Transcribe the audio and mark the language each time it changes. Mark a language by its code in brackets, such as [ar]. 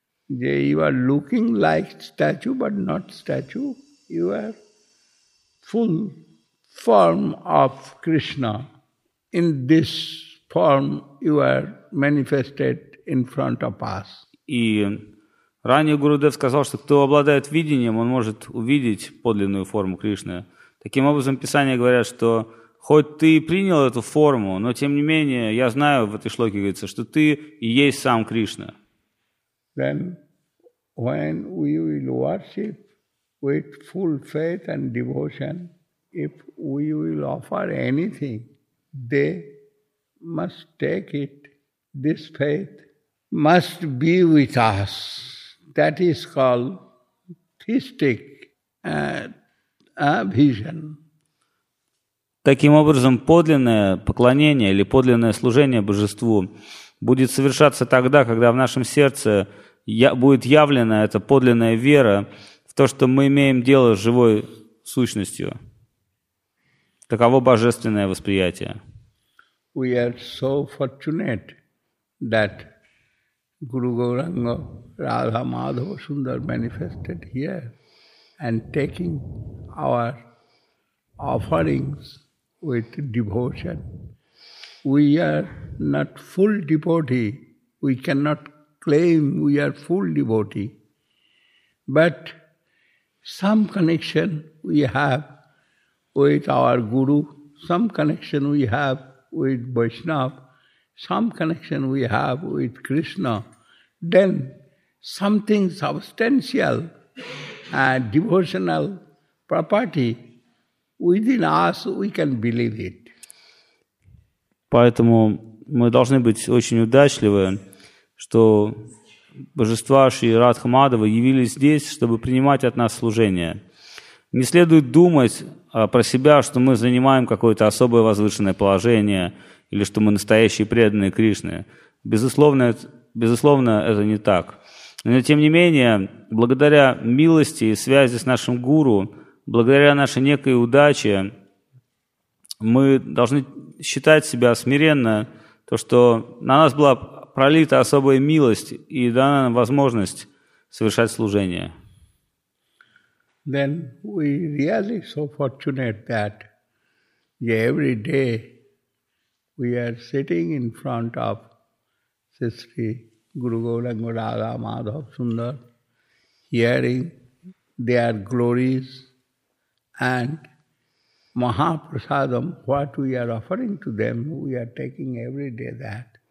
[en] You are looking like statue, but not statue. You are full form of Krishna. In this form, you are manifested in front of us. [ru] И ранее Гурудев сказал, что кто обладает видением, он может увидеть подлинную форму Кришны. Таким образом, Писание говорят, что хоть ты и принял эту форму, но тем не менее, я знаю, в этой шлоке говорится, что ты и есть сам Кришна. [en] Then, when we will worship with full faith and devotion, if we will offer anything, they must take it. This faith must be with us. That is called theistic vision. [ru] Таким образом, подлинное поклонение или подлинное служение Божеству будет совершаться тогда, когда в нашем сердце будет явлена эта подлинная вера в то, что мы имеем дело с живой сущностью. Таково божественное восприятие. [en] We are so fortunate that Guru Gauranga Radha Madhava Sundar manifested here and taking our offerings with devotion. We are not full devotee. We cannot claim we are full devotee. But some connection we have with our Guru, some connection we have with Vaishnava, some connection we have with Krishna, then something substantial and devotional property within us, we can believe it. [ru] Поэтому мы должны быть очень удачливы, что божества Шри Радха Мадхава явились здесь, чтобы принимать от нас служение. Не следует думать про себя, что мы занимаем какое-то особое возвышенное положение или что мы настоящие преданные Кришны. Безусловно, это не так. Но тем не менее, благодаря милости и связи с нашим Гуру, благодаря нашей некой удаче, мы должны считать себя смиренно, то, что на нас была пролита особая милость и дана нам возможность совершать служение. [en] Then we really so fortunate that every day we are sitting in front of Sri Guru Gauranga Radha Madhav Sundar, hearing their glories and Mahaprasadam, what we are offering to them, we are taking every day that.